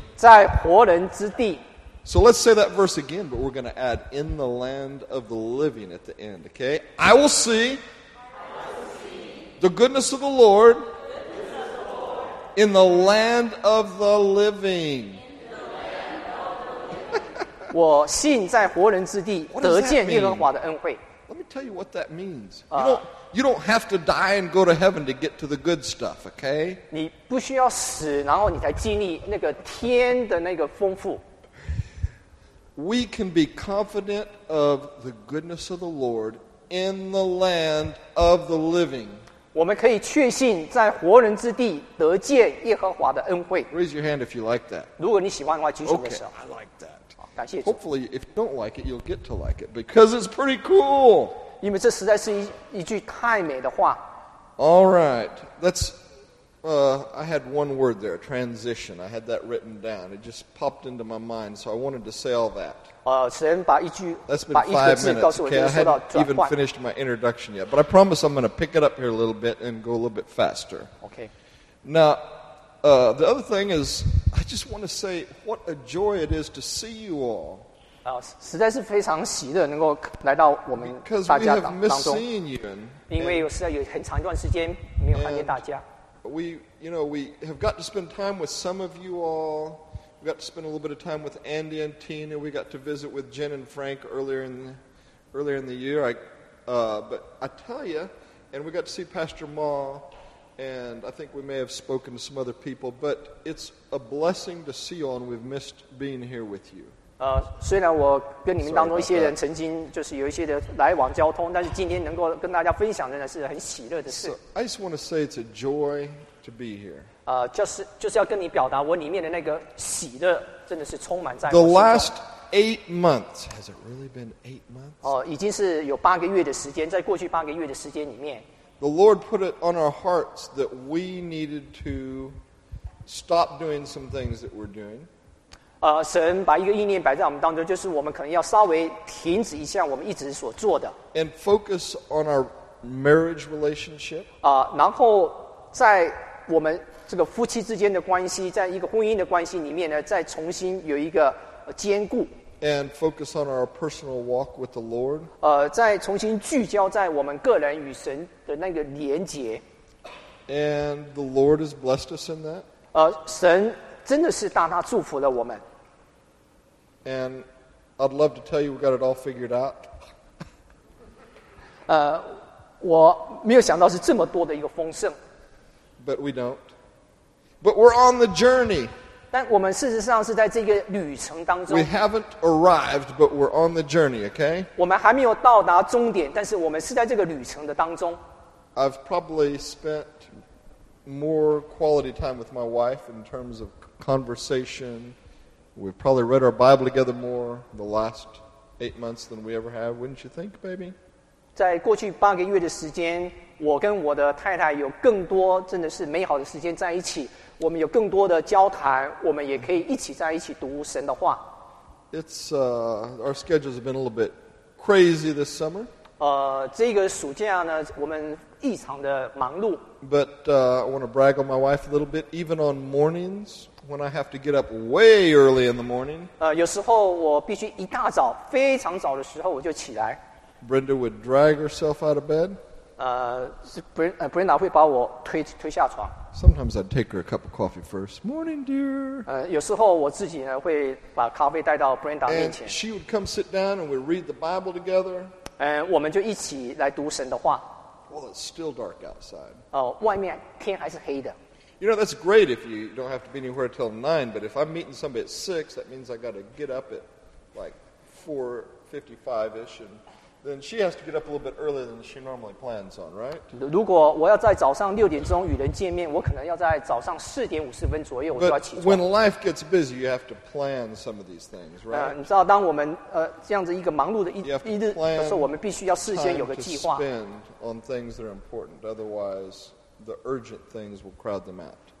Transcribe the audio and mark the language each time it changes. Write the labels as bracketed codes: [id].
[zh] 在活人之地。 [en] So let's say that verse again, but we're going to add in the land of the living at the end, okay? I will see the goodness of the Lord in the land of the living. [zh] 我信在活人之地得见耶和华的恩惠。 [en] Let me tell you what that means. You don't have to die and go to heaven to get to the good stuff, okay? [zh] 你不需要死然后你才经历那个天的那个丰富。 [en] We can be confident of the goodness of the Lord in the land of the living. [zh] 我们可以确信在活人之地得见耶和华的恩惠。 [en] Raise your hand if you like that. [zh] 如果你喜欢的话，举手的时候。 [en] Okay, I like that. [zh] 感谢主。 [en] Hopefully, if you don't like it, you'll get to like it because it's pretty cool. [zh] 因为这实在是一句太美的话。 [en] All right, that's. I had one word there, transition. I had that written down. It just popped into my mind, so I wanted to say all that. [zh] 神把一句 [en] That's been 5 minutes, okay? I hadn't even finished my introduction yet, but I promise I'm going to pick it up here a little bit and go a little bit faster. Okay. Now, the other thing is, I just want to say what a joy it is to see you all. [zh] 实在是非常喜乐能够来到我们大家当中。 [en] Because we have missed seeing you. [zh] 因为实在有很长一段时间没有看见大家。 [en] We, you know, we have got to spend time with some of you all. We got to spend a little bit of time with Andy and Tina. We got to visit with Jen and Frank earlier in the year. But I tell you, and we got to see Pastor Ma, and I think we may have spoken to some other people. But it's a blessing to see you all, and we've missed being here with you. [zh] 虽然我跟你们当中一些人曾经就是有一些的来往交通，但是今天能够跟大家分享真的是很喜乐的事。 [en] So, I just want to say it's a joy to be here. [zh] 就是要跟你表达我里面的那个喜乐真的是充满在我心中。 [en] The last 8 months, has it really been 8 months? [zh] 已经是有八个月的时间，在过去八个月的时间里面。 [en] The Lord put it on our hearts that we needed to stop doing some things that we're doing. [zh] 神把一个意念摆在我们当中，就是我们可能要稍微停止一下我们一直所做的。 [en] And focus on our marriage relationship. [zh] 然后在我们这个夫妻之间的关系，在一个婚姻的关系里面呢，再重新有一个坚固。 [en] And focus on our personal walk with the Lord. [zh] 再重新聚焦在我们个人与神的那个连结。 [en] And the Lord has blessed us in that. [zh] 神。真的是大大祝福了我们。 [en] And I'd love to tell you we got it all figured out. [zh] 我没有想到是这么多的一个丰盛。 [en] But we don't. But we're on the journey. [zh] 但我们事实上是在这个旅程当中。 [en] We haven't arrived, but we're on the journey, okay? [zh] 我们还没有到达终点，但是我们是在这个旅程的当中。 [en] I've probably spent more quality time with my wife in terms of conversation. We've probably read our Bible together more the last 8 months than we ever have, wouldn't you think, baby? [zh] 在过去八个月的时间，我跟我的太太有更多真的是美好的时间在一起。我们有更多的交谈，我们也可以一起在一起读神的话。 [en] It's our schedules have been a little bit crazy this summer. [zh] 这个暑假呢，我们异常的忙碌。 [en] But I want to brag on my wife a little bit, even on mornings. When I have to get up way early in the morning, [zh] 有时候我必须一大早，非常早的时候我就起来。 [en] Brenda would drag herself out of bed. [zh] Brenda 会把我推下床。 [en] Sometimes I'd take her a cup of coffee first. Morning, dear. [zh] 有时候我自己呢会把咖啡带到 Brenda 面前。 [en] And she would come sit down and we'd read the Bible together. [zh] 我们就一起来读神的话。 [en] Well, it's still dark outside. [zh] 外面天还是黑的。 [en] You know, that's great if you don't have to be anywhere until 9, but if I'm meeting somebody at 6, that means I got to get up at like 4:55-ish, and then she has to get up a little bit earlier than she normally plans on, right? [zh] 如果我要在早上6点钟与人见面，我可能要在早上4点50分左右我就要起床。 [en] When life gets busy, you have to plan some of these things, right? [zh] 你知道，当我们这样子一个忙碌的一日的时候，我们必须要事先有个计划。 [en] You have to plan time to spend on things that are important. Otherwise, the urgent things will crowd them out.